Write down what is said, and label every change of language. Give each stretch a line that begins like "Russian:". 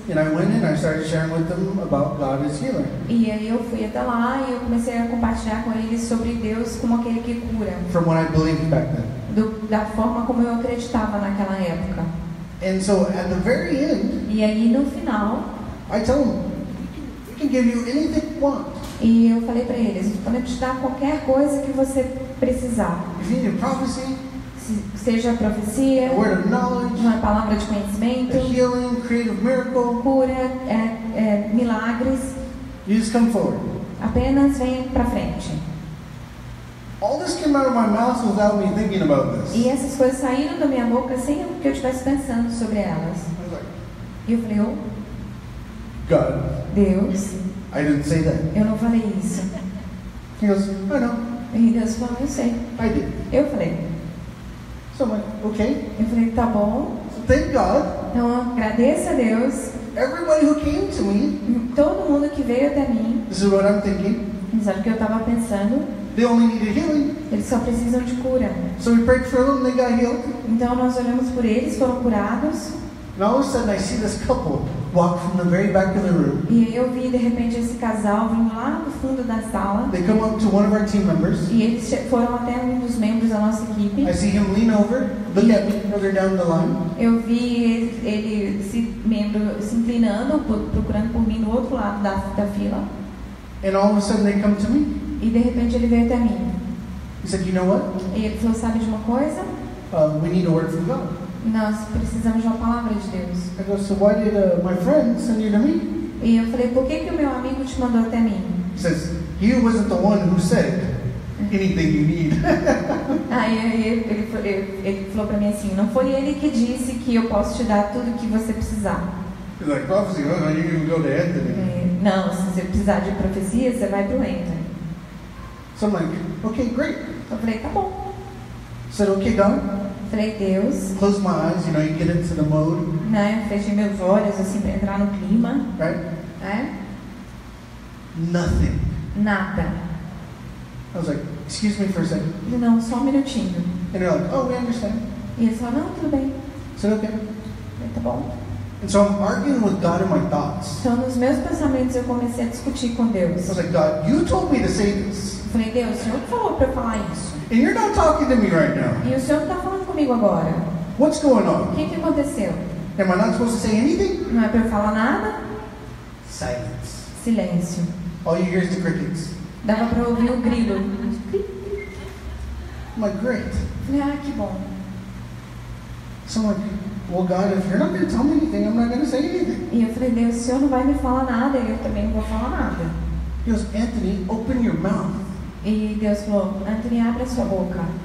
English: And I went in and I started sharing with them about God as healer.
Portuguese: E aí eu fui até lá e eu comecei a compartilhar com eles sobre Deus como aquele que cura.
English: From what I believed back then.
Portuguese: Da forma como eu acreditava naquela época.
English: And so at the very end.
Portuguese: E aí no final.
English: I tell them, we can give you anything you want.
Portuguese: E eu falei para eles, podemos te dar qualquer coisa que você precisar.
English: Prophecy,
Portuguese: seja profecia, uma palavra de conhecimento,
English: healing, creative miracle,
Portuguese: cura, milagres.
English: You just come forward.
Portuguese: Apenas vem para frente.
English: All this came out of my mouth without me thinking about this.
Portuguese: E essas coisas saíram da minha boca sem que eu estivesse pensando sobre elas. E eu falei,
English: God.
Portuguese: Deus.
English: I didn't say that.
Portuguese: Eu não falei isso.
English: He goes, I know.
Portuguese: E Deus falou, eu sei.
English: I did.
Portuguese: Eu falei.
English: So I'm like, okay.
Portuguese: Eu falei, tá bom.
English: So thank God.
Portuguese: Então agradeça a Deus.
English: Everybody who came to me.
Portuguese: Todo mundo que veio até mim.
English: This is what I'm thinking.
Portuguese: Sabe o que eu estava pensando?
English: They only need a healing.
Portuguese: Eles só precisam de cura.
English: So we prayed for them, they got healed.
Portuguese: Então nós olhamos por eles, foram curados.
English: And all of a sudden I see this couple walk from the very back of the room.
Portuguese: E aí eu vi de repente esse casal vindo lá do fundo da sala.
English: They come up to one of our team members.
Portuguese: E eles foram até um dos membros da nossa equipe.
English: I see him lean over, look at me, further down the line.
Portuguese: Eu vi ele, esse membro se inclinando, procurando por mim no outro lado da fila.
English: And all of a sudden they come to me.
Portuguese: E de repente ele veio até mim.
English: He said, you know what?
Portuguese: E ele falou, sabe de uma coisa?
English: We need a word from God.
Portuguese: Nós precisamos de uma palavra de Deus.
English: I go, so why did my friend send you to me?
Portuguese: E eu falei, por que que o meu amigo te mandou até mim?
English: He says, he wasn't the one who said anything you need.
Portuguese: Ele falou para mim assim, não foi ele que disse que eu posso te dar tudo que você precisar.
English: He's like, prophecy, oh, no, you can go to Anthony.
Portuguese: Não, se você precisar de profecia, você vai pro Anthony.
English: So I'm like, okay, great.
Portuguese: Eu falei, tá bom.
English: Said, okay, Don.
Portuguese: Falei, Deus.
English: Close my eyes, you know, you get into the mode.
Portuguese: Né, eu fechei meus olhos, assim, pra entrar no clima.
English: Right?
Portuguese: É.
English: Nothing.
Portuguese: Nada.
English: I was like, excuse me for a second.
Portuguese: Não, só um minutinho.
English: And they're like, oh, we understand.
Portuguese: E eles falaram, não, tudo bem.
English: Said, okay.
Portuguese: Falei, tá bom.
English: And so I'm arguing with God in my thoughts.
Portuguese: Então, nos meus pensamentos, eu comecei a discutir com Deus.
English: I was like, God, you told me to say this.
Portuguese: Falei, Deus, o Senhor falou pra eu falar isso.
English: And you're not talking to me right now.
Portuguese: E o Senhor não tá falando comigo agora.
English: What's going on?
Portuguese: O que que aconteceu?
English: Am I not supposed to say anything?
Portuguese: Não é pra eu falar nada?
English: Silence.
Portuguese: Silêncio.
English: All you hear is the crickets.
Portuguese: Dava pra ouvir o grilo.
English: I'm like, great.
Portuguese: Falei, ah, que bom.
English: So I'm like, well, God, if you're not going to tell me anything, I'm not going to say anything.
Portuguese: E eu falei, Deus, o Senhor não vai me falar nada, eu também não vou falar nada.
English: He goes, Anthony, open your mouth.
Portuguese: E Deus falou, Anthony, abre a sua boca.